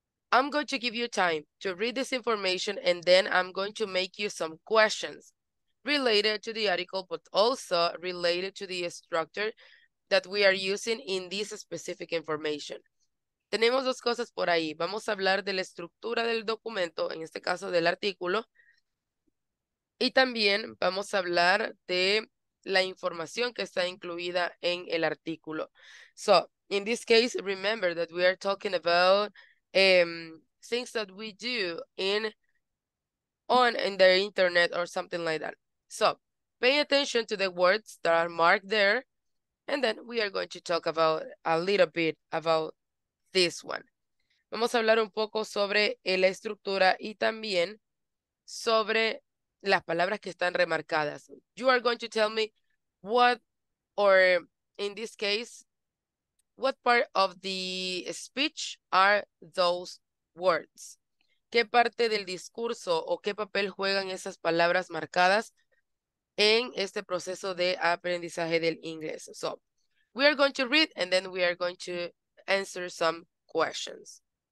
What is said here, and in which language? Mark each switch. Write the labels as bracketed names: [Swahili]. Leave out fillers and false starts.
[English] I'm going to give you time to read this information, and then I'm going to make you some questions related to the article, but also related to the structure that we are using in this specific information. [Spanish] Tenemos dos cosas por ahí. Vamos a hablar de la estructura del documento, en este caso del artículo, y también vamos a hablar de la información que está incluida en el artículo. [English] So, in this case, remember that we are talking about things that we do in the internet or something like that. So, pay attention to the words that are marked there, and then we are going to talk about a little bit about this one. [Spanish] Vamos a hablar un poco sobre la estructura y también sobre las palabras que están remarcadas. [English] You are going to tell me what, or in this case, what part of the speech are those words? [Spanish] ¿Qué parte del discurso o qué papel juegan esas palabras marcadas en este proceso de aprendizaje del inglés? [English] So, we are going to read and then we are going to answer some questions.